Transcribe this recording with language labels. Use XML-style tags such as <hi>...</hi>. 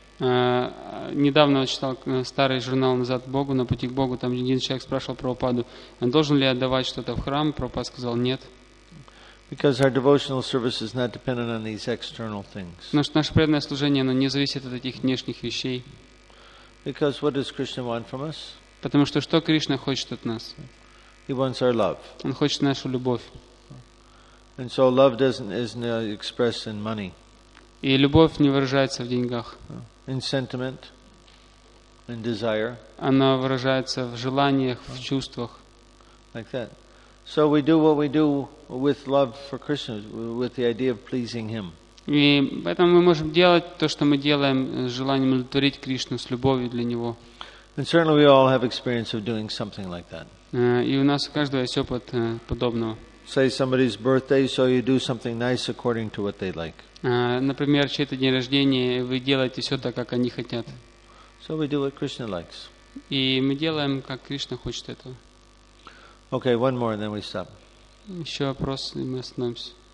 <ru>Недавно читал старый журнал «Назад к Богу», «На пути к Богу». Там один человек спрашивал Прабхупаду, должен ли я давать что-то в храм? Прабхупада сказал, нет.</ru> <en>Because our devotional service is not dependent on these external things.</en> <ru>Наше преданное служение, оно не зависит от этих внешних вещей.</ru> <en>Because what does Krishna want from us?</en> <ru>Потому что Кришна хочет от нас?</ru> <en>He wants our love.</en> <ru>Он хочет нашу любовь.</ru> <en>And so love isn't expressed in money.</en> <ru>И любовь не выражается в деньгах.</ru> <en>In sentiment, in desire.</en> <ru>Она выражается в желаниях, в чувствах.</ru> <en>Like that. So we do what we do with love for Krishna, with the idea of pleasing Him.</en> <ru>И поэтому мы можем делать то, что мы делаем, с желанием удовлетворить Кришну, с любовью для Него.</ru> <en>And certainly we all have experience of doing something like that.</en> <ru>И у нас у каждого есть опыт подобного.</ru> <en>Say somebody's birthday, so you do something nice according to what they like.</en> <ru>Например, чей-то день рождения, вы делаете все так, как они хотят.</ru> <en>So we do what Krishna likes.</en> <ru>И мы делаем, как Кришна хочет этого.</ru> <en>Okay, one more, and then we stop.</en> <ru>Еще вопрос, и мы остановимся.</ru>